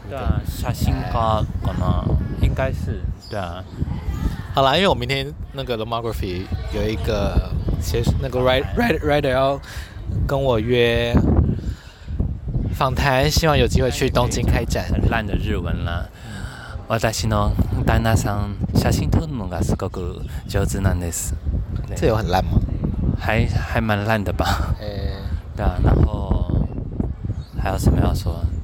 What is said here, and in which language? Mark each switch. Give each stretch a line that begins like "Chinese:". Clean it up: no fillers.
Chinese: 对啊，写真家可能应该是，对啊。好啦，因为我明天那个 lomography 有一个那个 writer 要跟我约访谈，希望有机会去东京开展。很烂的日文啦。
Japanese: 私の旦那さん、写真撮るのがすごく上手なんです。
Chinese: 这有很烂吗？还蛮烂的吧。对啊，然后还有什么要说？